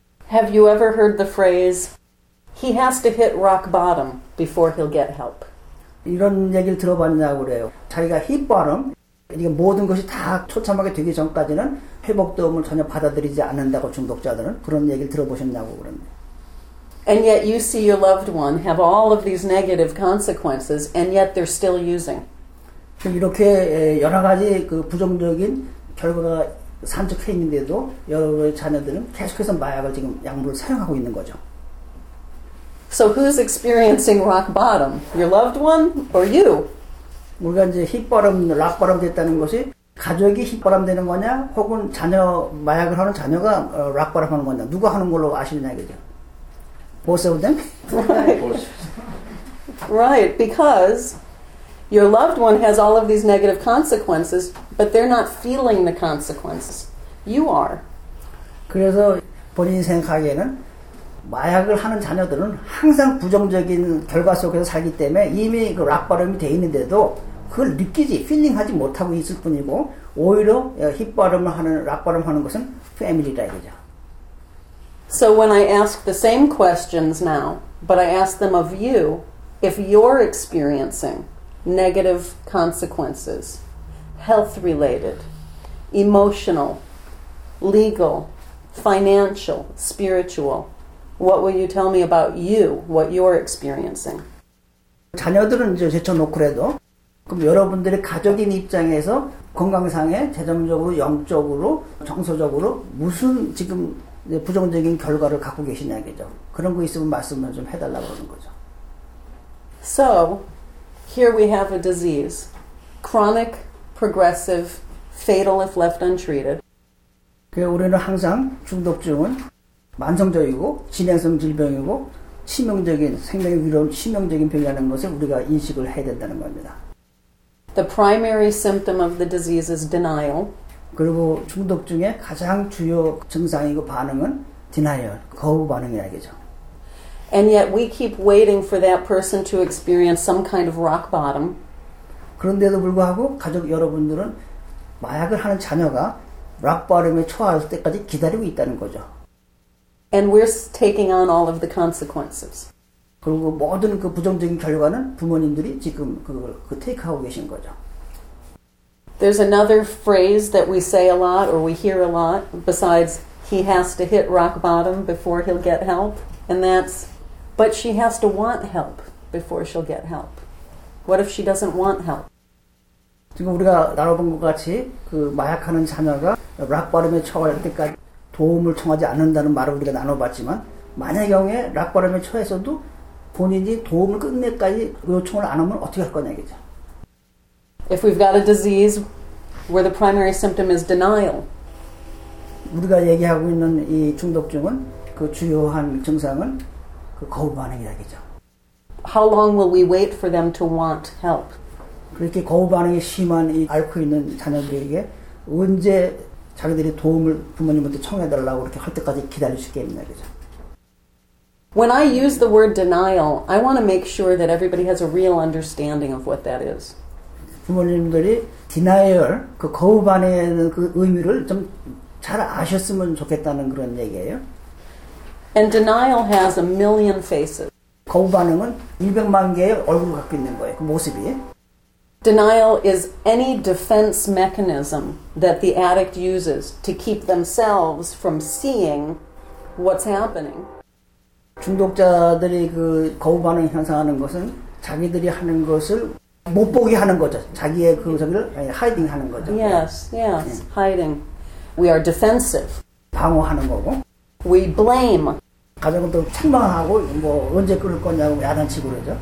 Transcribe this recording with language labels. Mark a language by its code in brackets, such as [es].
[en] Have you ever heard the phrase, he has to hit rock bottom before he'll get help? [ko] 이런 얘기를 들어봤냐고 그래요. 자기가 [en] hit bottom, [ko] 이게 모든 것이 다 처참하게 되기 전까지는 회복 도움을 전혀 받아들이지 않는다고 중독자들은 그런 얘기를 들어보셨냐고 그러는데. [en] And yet you see your loved one have all of these negative consequences and yet they're still using. [ko] 이렇게 여러 가지 그 부정적인 결과가 산적해 있는데도 여러분의 자녀들은 계속해서 마약을 지금 약물을 사용하고 있는 거죠. [en] So who's experiencing rock bottom? Your loved one or you? [ko] 우리가 이제 힙바람, 락바람 됐다는 것이 가족이 힙바람 되는 거냐 혹은 자녀, 마약을 하는 자녀가 락바람 하는 거냐 누가 하는 걸로 아시느냐 이거죠. [en] Both of them? Right, because your loved one has all of these negative consequences, but they're not feeling the consequences. You are. [ko] 그래서 본인 생각에는 마약을 하는 자녀들은 항상 부정적인 결과 속에서 살기 때문에 이미 그 락바름이 돼 있는데도 그걸 느끼지, 필링하지 못하고 있을 뿐이고 오히려 힙바름을 하는, 락바름 하는 것은 패밀리다 이거죠. [en] So when I ask the same questions now, but I ask them of you, if you're experiencing negative consequences, health-related, emotional, legal, financial, spiritual, what will you tell me about you, what you're experiencing? [ko] 자녀들은 이제 제쳐놓고 그래도 그럼 여러분들의 가족인 입장에서 건강상에 재정적으로, 영적으로, 정서적으로 무슨 지금 부정적인 결과를 갖고 계시냐 이거죠. 그런 거 있으면 말씀을 좀 해달라고 그러는 거죠. [en] So, here we have a disease. Chronic, progressive, fatal if left untreated. [ko] 우리는 항상 중독증은 만성적이고 진행성 질병이고 치명적인, 생명에 위로운 치명적인 병이라는 것을 우리가 인식을 해야 된다는 겁니다. [en] The primary symptom of the disease is denial. [ko] 그리고 중독 중에 가장 주요 증상이고 반응은 denial, 거부 반응이라겠죠. [en] And yet we keep waiting for that person to experience some kind of rock bottom. [ko] 그런데도 불구하고 가족 여러분들은 마약을 하는 자녀가 [en] rock bottom [ko] 에 처할 때까지 기다리고 있다는 거죠. [en] And we're taking on all of the consequences. [ko] 그리고 모든 그 부정적인 결과는 부모님들이 지금 그걸 그 테이크하고 계신 거죠. [en] There's another phrase that we say a lot or we hear a lot besides he has to hit rock bottom before he'll get help, and that's but she has to want help before she'll get help. What if she doesn't want help? [ko] 지금 우리가 나눠본 것 같이 그 마약하는 자녀가 [en] rock bottom [ko] 에 처할 때까지 도움을 청하지 않는다는 말을 우리가 나눠봤지만 만약 경우에 rock bottom에 처해서도 본인이 도움을 끝내까지 요청을 안 하면 어떻게 할 거냐 이거죠. [en] If we've got a disease where the primary symptom is denial. [ko] 우리가 얘기하고 있는 이 중독증은 그 주요한 증상은 그 거부 반응이라겠죠. [en] How long will we wait for them to want help? [ko] 그렇게 거부 반응이 심한 이 앓고 있는 자녀들에게 언제 자기들이 도움을 부모님한테 청해달라고 이렇게 할 때까지 기다릴 수 있겠느냐, 그죠? [en] When I use the word denial, I want to make sure that everybody has a real understanding of what that is. [ko] 부모님들이 denial, 그 거부 반응의 그 의미를 좀 잘 아셨으면 좋겠다는 그런 얘기예요. [en] And denial has a million faces. [ko] 거부 반응은 200만 개의 얼굴을 갖고 있는 거예요, 그 모습이. [en] Denial is any defense mechanism that the addict uses to keep themselves from seeing what's happening. [ko] 중독자들이 그 거부 반응 현상하는 것은 자기들이 하는 것을 못 보게 하는 거죠. 자기의 그 저기를 hiding 하는 거죠. [en] Yes, yes, hiding. We are defensive. [ko] 방어하는 거고. [en] We blame. [ko] 가족은 또 책망하고 뭐 언제 그럴 거냐고 야단치고 그러죠.